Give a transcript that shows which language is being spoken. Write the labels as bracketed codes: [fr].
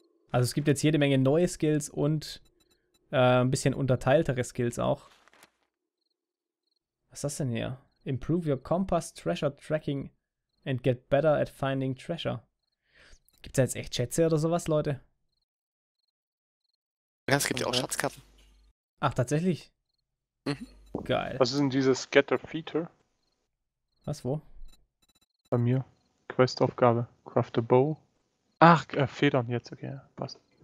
[de] Also es gibt jetzt jede Menge neue Skills und ein bisschen unterteiltere Skills auch. Was ist das denn hier? [en] Improve your compass treasure tracking and get better at finding treasure. [de] Gibt's da jetzt echt Schätze oder sowas, Leute? Ja, es gibt ja auch Schatzkarten. Ach, tatsächlich? Mhm. Geil. Was ist denn dieses Scatter Feature? Was, wo? Bei mir. Questaufgabe. [en] Craft a bow. [de] Ach, Federn jetzt, okay. Passt.